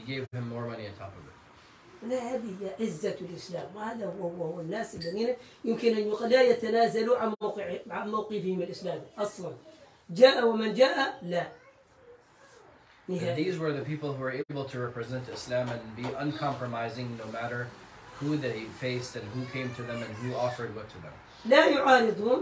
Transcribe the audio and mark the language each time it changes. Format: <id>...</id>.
<en>He gave him more money on top of it.</en> <ar>لا هذه عزة الإسلام وهذا هو الناس الذين يمكن أن لا يتنازلوا عن موقفهم الإسلامي أصلاً. جاء ومن جاء لا.</ar> <en>And these were the people who were able to represent Islam and be uncompromising no matter who they faced and who came to them and who offered what to them.</en>